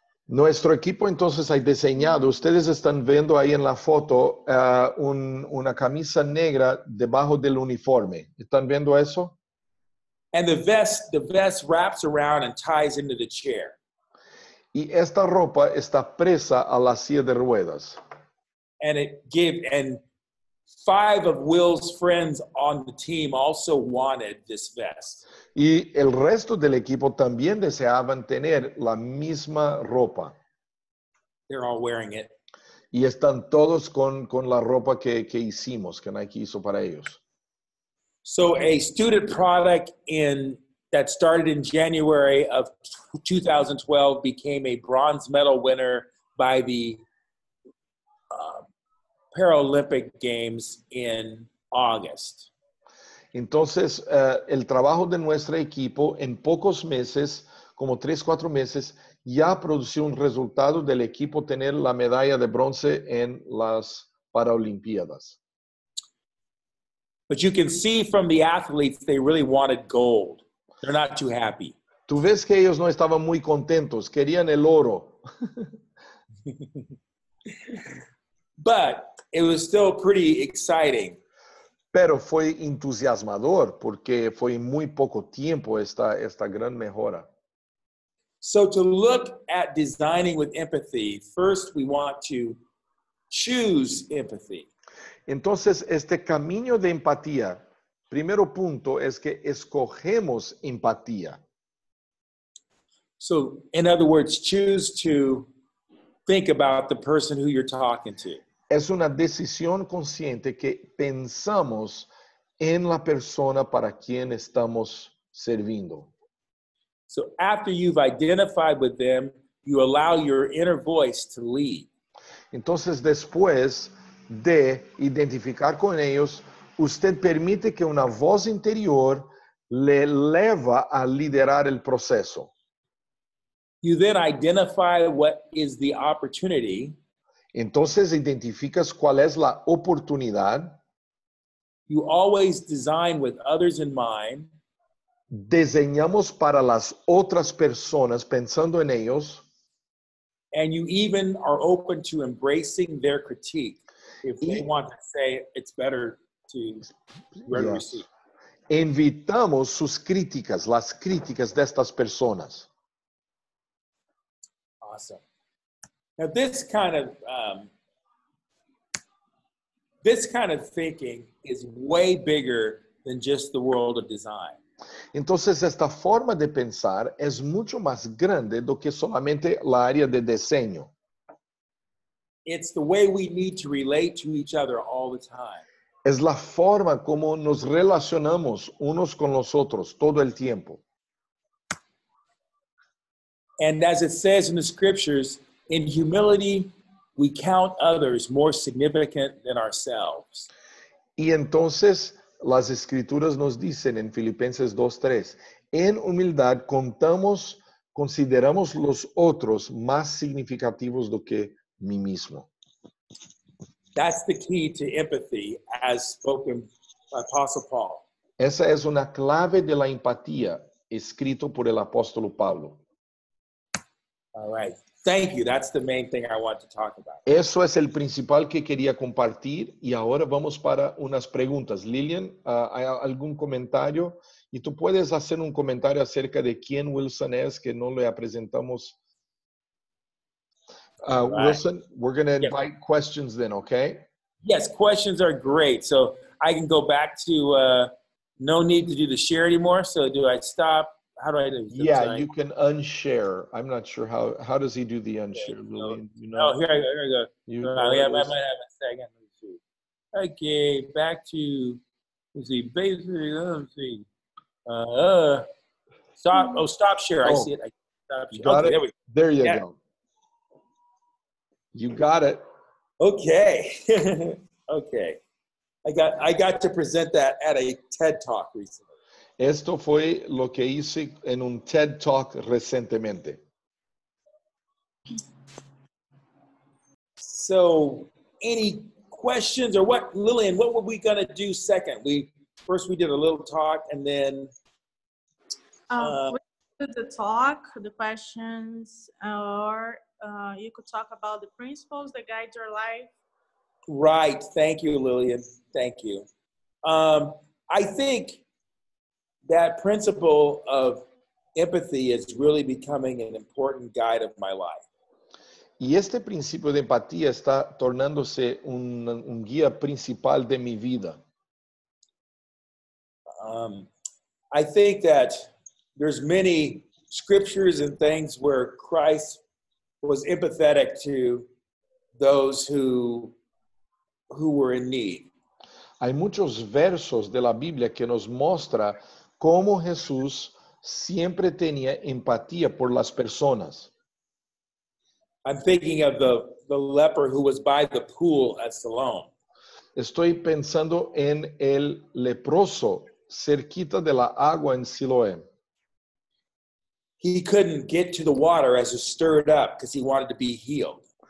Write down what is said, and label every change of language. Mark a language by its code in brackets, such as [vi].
[es] Nuestro equipo entonces ha diseñado, ustedes están viendo ahí en la foto, una camisa negra debajo del uniforme. ¿Están viendo eso? [en] And the vest wraps around and ties into the chair. [es] Y esta ropa está presa a la silla de ruedas. [en] And five of Will's friends on the team also wanted this vest. [es] Y el resto del equipo también deseaban tener la misma ropa. [en] They're all wearing it. [es] Y están todos con la ropa que hicimos, que Nike hizo para ellos. [en] So a student product that started in January of 2012 became a bronze medal winner by the Paralympic Games in August. [es] Entonces, el trabajo de nuestro equipo en pocos meses, como 3-4 meses, ya produjo un resultado del equipo tener la medalla de bronce en las Paralimpiadas. [en] But you can see from the athletes, they really wanted gold. They're not too happy. [es] Tú ves que ellos no estaban muy contentos. Querían el oro. [en] But it was still pretty exciting. [es] Pero fue entusiasmador porque fue en muy poco tiempo esta gran mejora. [en] So to look at designing with empathy, first we want to choose empathy. [es] Entonces, este camino de empatía, primero punto es que escogemos empatía. [en] So, in other words, choose to think about the person who you're talking to. [es] Es una decisión consciente que pensamos en la persona para quien estamos sirviendo. [en] So, after you've identified with them, you allow your inner voice to lead. [es] Entonces, después de identificar con ellos, usted permite que una voz interior le lleva a liderar el proceso. [en] You then identify what is the opportunity. [es] Entonces identificas cuál es la oportunidad. [en] You always design with others in mind. Diseñamos para las otras personas pensando en ellos. And you even are open to embracing their critique. If they want to say it's better to receive. [es] Invitamos sus críticas, las críticas de estas personas. [en] Awesome. Now this kind of thinking is way bigger than just the world of design. [es] Entonces esta forma de pensar es mucho más grande do que solamente la área de diseño. [en] It's the way we need to relate to each other all the time. [es] Es la forma como nos relacionamos unos con los otros todo el tiempo. [en] And as it says in the scriptures, in humility, we count others more significant than ourselves. [es] Y entonces las escrituras nos dicen en Filipenses 2:3, en humildad consideramos los otros más significativos do que mí mismo. [en] That's the key to empathy, as spoken by Apostle Paul. [es] Esa es una clave de la empatía, escrito por el apóstolo Pablo. [en] All right. Thank you. That's the main thing I want to talk about. [es] Eso es el principal que quería compartir. Y ahora vamos para unas preguntas. Lillian, ¿hay algún comentario? Y tú puedes hacer un comentario acerca de quién Wilson es, que no le presentamos. [en] Wilson, we're going to invite questions then, okay? Yes, questions are great. So I can go back to no need to do the share anymore. So do I stop? How do I do? Yeah, you can unshare. I'm not sure how does he do the unshare. Okay, Lillian, no. Here I go. I might have a second. Let me see. Okay, back to, let's see, basically, let's see. Stop share. Oh. I see it. Stop share. Got it? There you go. You got it. Okay. Okay. I got to present that at a TED Talk recently. [es] Esto fue lo que hice en un TED Talk recientemente. [en] So, any questions or what, Lillian, what were we going to do second? We did a little talk and then... We did the talk, the questions are... you could talk about the principles that guide your life. Right. Thank you, Lillian. Thank you. I think that principle of empathy is really becoming an important guide of my life. [es] Y este principio de empatía está tornándose un guía principal de mi vida. [en] I think that there's many scriptures and things where Christ was empathetic to those who were in need. [es] Hay muchos versos de la Biblia que nos muestra cómo Jesús siempre tenía empatía por las personas. [en] I'm thinking of the leper who was by the pool at Siloam. [es] Estoy pensando en el leproso cerquita de la agua en Siloé. [en] He couldn't get to the water as it stirred up because he wanted to be healed.